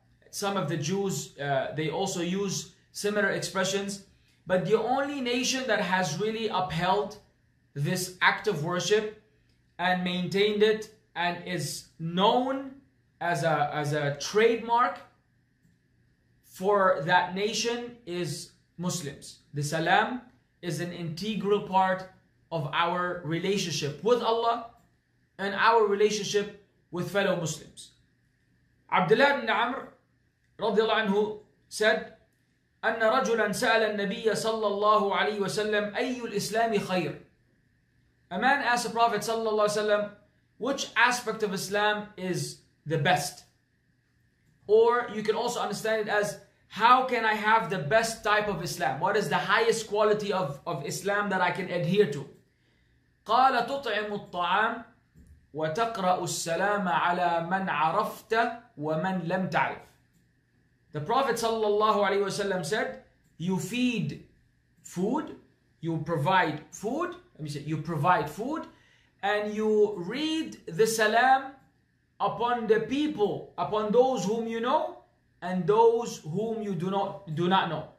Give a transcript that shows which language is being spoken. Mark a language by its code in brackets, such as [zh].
[en] Some of the Jews, they also use similar expressions, but the only nation that has really upheld this act of worship and maintained it and is known as a trademark for that nation is Muslims. The salam is an integral part of our relationship with Allah and our relationship with fellow Muslims. Abdullah ibn Amr radiallahu anhu said, [ar] أن رجلا سأل النبي صلى الله عليه وسلم أي الإسلام خير. [en] A man asked the Prophet صلى الله عليه وسلم, which aspect of Islam is the best? Or you can also understand it as, how can I have the best type of Islam? What is the highest quality of Islam that I can adhere to? [ar] قال تطعم الطعام وتقرأ السلام على من عرفت ومن لم تعرف. [en] The Prophet sallallahu alaihi wasallam said, you feed food, you provide food, let me say, you provide food, and you read the salam upon the people, upon those whom you know and those whom you do not know.